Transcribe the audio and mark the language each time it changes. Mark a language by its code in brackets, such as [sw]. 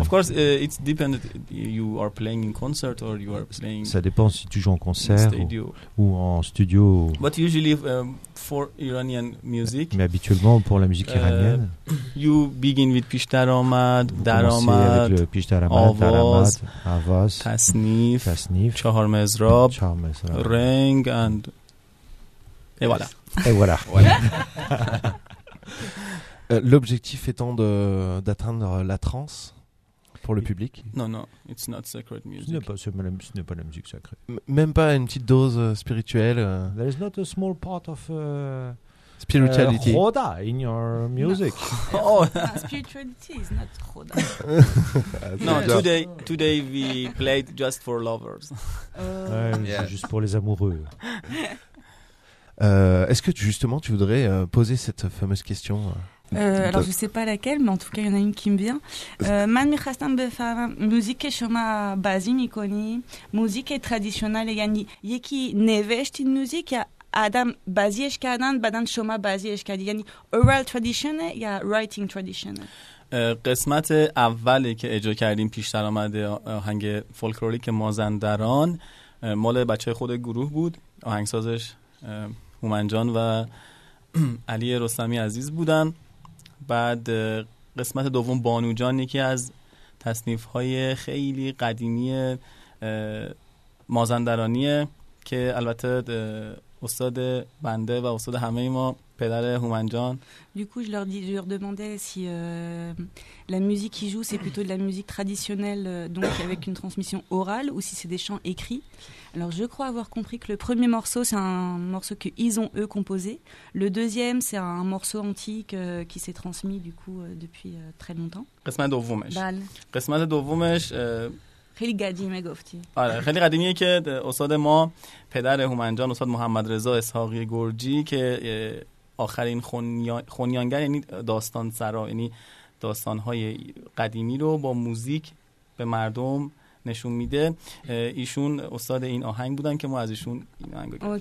[en] Of course, it depends you are playing in concert or you are playing. [fr] Ça dépend si tu joues en concert ou en studio. [en] But usually for Iranian music. [fr] Mais habituellement pour la musique iranienne. [en] You begin with Pish Daramat, Daramat, Pish Daramat, Avaz, Avaz. Tasnif, Tasnif, Charmezrab, Charmezrab, Ring, and [fr] et voilà. Et voilà. L'objectif étant d'atteindre la trance pour le public. Non, non, [en] it's not sacred music. [fr] Ce n'est pas la musique sacrée. Même pas une petite dose spirituelle. [en] There is not a small part of spirituality. Khoda in your music. No. Oh. Spirituality is not Khoda. No, today we played just for lovers. Yeah. [fr] Juste pour les amoureux. Est-ce que justement tu voudrais poser cette fameuse question? Alors je sais pas laquelle, mais en tout cas il y en a une qui me vient. [fa] من میخواستم بفهمم موزیک شما بازی میکنی موزیک تradیشنال یعنی یکی نوشت این موزیک یا آدم بازیش کردن بعدن شما بازیش کردی یعنی [en] oral tradition [fa] یا [en] writing tradition؟ [fa] قسمت اولی که اجرا کردیم پیش در آمده آهنگ فولکلوریک مازندران مال بچه خود گروه بود، آهنگسازش هومن جان و علی رستمی عزیز بودن. بعد قسمت دوم بانو جان، یکی از تصنیف‌های خیلی قدیمی مازندرانیه که البته استاد بنده و استاد همه ما پدر هومن جان. [fr] Du coup, je leur demandais si la musique qu'ils jouent c'est plutôt de la musique traditionnelle donc avec une transmission orale ou si c'est des chants écrits. Alors je crois avoir compris que le premier morceau c'est un morceau que ils ont eux composé. Le deuxième c'est un morceau antique qui s'est transmis du coup depuis très longtemps. [fa] قسمت دومش. بله. قسمت دومش خیلی قدیمه گفتی. آره، خیلی قدیمیه که استاد ما پدر هومن جان استاد محمد رضا اسحاقی گرجی که آخرین خونیانگر یعنی داستان سرا یعنی داستان‌های قدیمی رو با موزیک به مردم نشون میده، ایشون استاد این آهنگ بودن که ما از ایشون این آهنگ گرفتیم.